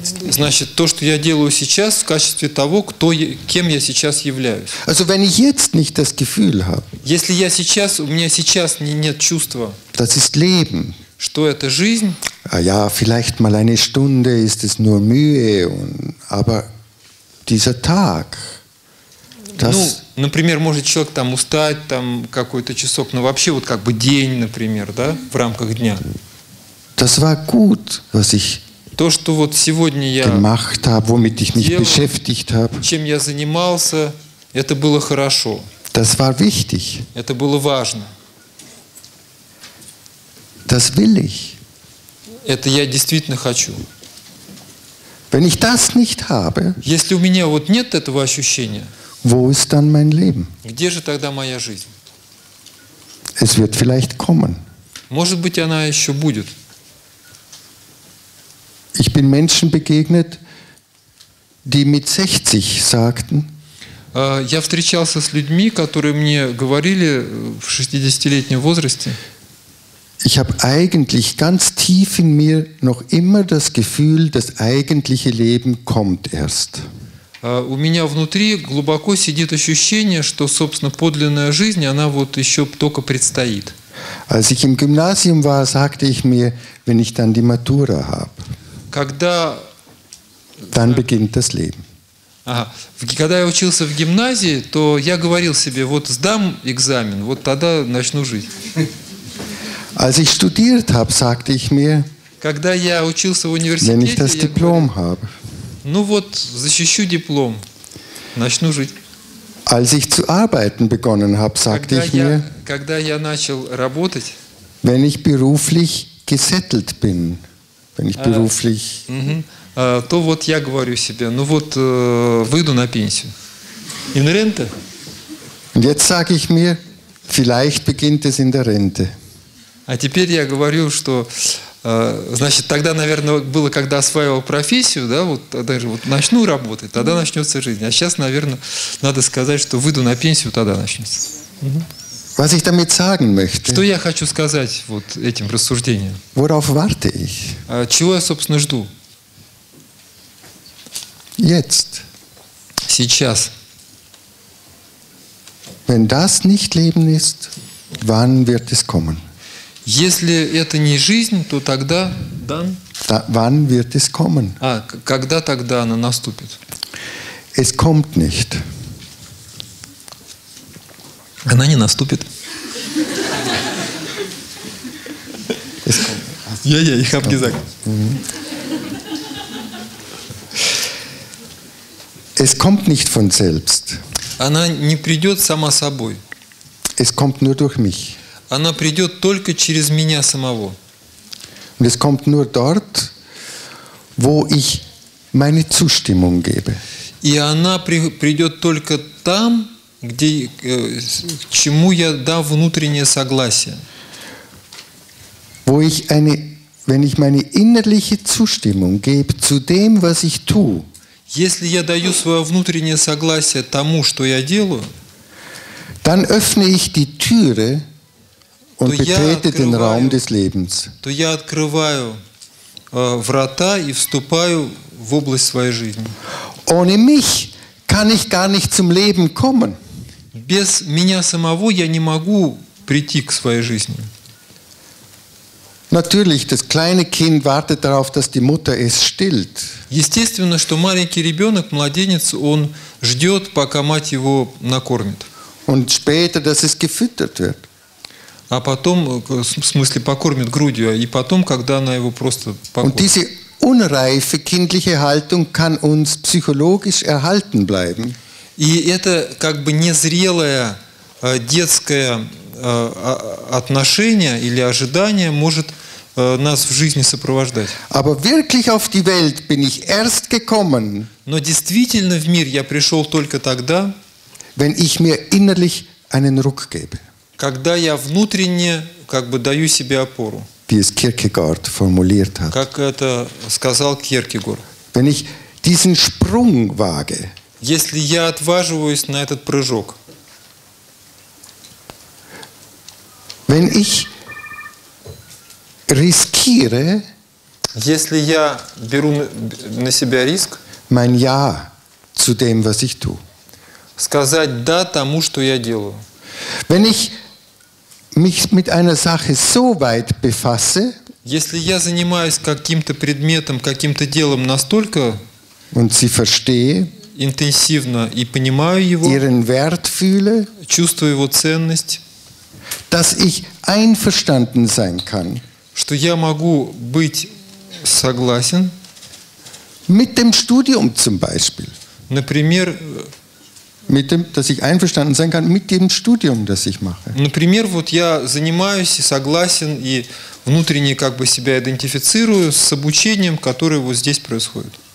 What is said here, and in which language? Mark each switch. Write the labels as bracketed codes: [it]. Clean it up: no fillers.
[ru] Значит, то, что я делаю сейчас, в качестве того, кем я сейчас являюсь. [de] Also, wenn ich jetzt nicht das Gefühl habe. [ru] Если я сейчас, у меня сейчас нет чувства. [de] Das ist Leben. [ru] Что это жизнь? [de] А ja, vielleicht mal eine Stunde ist es nur Mühe, aber dieser Tag. [ru] Ну, например, может человек там устать там какой-то часок, но вообще вот как бы день, например, да, в рамках дня. [de] Das war gut, was ich. [ru] То, что вот сегодня я [de] gemacht habe, womit ich mich [ru] делал, [de] beschäftigt habe. [ru] Чем я занимался, это было хорошо. [de] Das war wichtig. [ru] Это было важно. [de] Das will ich. [ru] Это я действительно хочу. [de] Wenn ich das nicht habe, [ru] если у меня вот нет этого ощущения, [de] wo ist dann mein Leben? [ru] Где же тогда моя жизнь? [de] Es wird vielleicht kommen. [ru] Может быть, она еще будет. [de] Ich bin Menschen begegnet, die mit 60 sagten, [ru] я встречался с людьми, которые мне говорили в 60-летнем возрасте, [de] ich habe eigentlich ganz tief in mir noch immer das Gefühl, das eigentliche Leben kommt erst. [ru] У меня внутри глубоко сидит ощущение, что, собственно, подлинная жизнь, она вот еще только предстоит. [de] Als ich im Gymnasium war, sagte ich mir, wenn ich dann die Matura habe, [ru] когда... [de] dann beginnt das Leben. [ru] Ага. Когда я учился в гимназии, то я говорил себе, вот сдам экзамен, вот тогда начну жить. [de] Als ich studiert habe, sagte ich mir, [ru] когда я учился в университете, [de] wenn ich das Diplom [ru] говорил, [de] habe, [ru] ну вот, защищу диплом, начну жить. [de] Als ich zu arbeiten begonnen habe, sagte ich mir, [ru] когда я начал работать, [de] wenn ich beruflich gesettelt bin, wenn ich beruflich, [ru] то вот я говорю себе, ну вот выйду на пенсию. [de] In Rente? Und jetzt sage ich mir, vielleicht beginnt es in der Rente. [ru] А теперь я говорю, что значит, тогда, наверное, было, когда осваивал профессию, да, вот даже вот начну работать, тогда начнется жизнь. А сейчас, наверное, надо сказать, что выйду на пенсию, тогда начнется. [de] Was ich damit sagen möchte, [ru] что я хочу сказать вот этим рассуждением? [de] Worauf warte ich? [ru] Чего я, собственно, жду? [de] Jetzt. [ru] Сейчас. [de] Wenn das nicht Leben ist, wann wird es kommen? [ru] Если это не жизнь, то тогда [de] dann? Da, wann wird es kommen? [ru] А, когда тогда она наступит? [de] Es kommt nicht. [ru] Она не наступит. [de] Я, ich hab gesagt. Es kommt nicht von selbst. [ru] Она не придет сама собой. [de] Es kommt nur durch mich. [ru] Она придет только через меня самого. [de] Und es kommt nur dort, wo ich meine Zustimmung gebe. [ru] И она придет только там, где, к чему я дам внутреннее согласие. [de] Wo ich eine, wenn ich meine innerliche Zustimmung gebe zu dem, was ich tue. [ru] Если я даю свое внутреннее согласие тому, что я делаю, [de] dann öffne ich die Türe und betrete den Raum des Lebens. [ru] То я открываю врата и вступаю в область своей жизни. [de] Ohne mich kann ich gar nicht zum Leben kommen. [ru] Без меня самого я не могу прийти к своей жизни. [de] Natürlich, das kleine Kind wartet darauf, dass die Mutter es stillt. [ru] Естественно, что маленький ребенок, младенец, он ждет, пока мать его накормит. [de] Und später, dass es gefüttert wird. [ru] А потом, в смысле, покормит грудью, и потом, когда она его просто покормит. [de] Und diese unreife kindliche Haltung kann uns psychologisch erhalten bleiben. [ru] И это как бы незрелое детское отношение или ожидание может нас в жизни сопровождать. [de] Aber wirklich auf die Welt bin ich erst gekommen. [ru] Но действительно в мир я пришел только тогда, [de] wenn ich mir innerlich einen Ruck gebe. [ru] Когда я внутренне как бы даю себе опору. [de] Wie es Kierkegaard formuliert hat. [ru] Как это сказал Кьеркегор. [de] Wenn ich diesen Sprung wage. [ru] Если я отваживаюсь на этот прыжок. [de] Wenn ich riskiere. [ru] Если я беру на себя риск. [de] Mein Ja zu dem, was ich tue. [ru] Сказать да тому, что я делаю. [de] Wenn ich mich mit einer Sache so weit befasse, [ru] если я занимаюсь каким-то предметом, каким-то делом настолько [de] und sie verstehe, [ru] интенсивно и понимаю его, [de] ihren Wert fühle, [ru] чувствую его ценность, [de] dass ich einverstanden sein kann, [ru] что я могу быть согласен [de] mit dem Studium zum Beispiel, [ru] например, [de] mit dem, dass ich einverstanden sein kann mit dem Studium, das ich mache. [ru] Например, вот я занимаюсь и согласен и внутренне как бы себя идентифицирую с обучением, которое вот здесь происходит.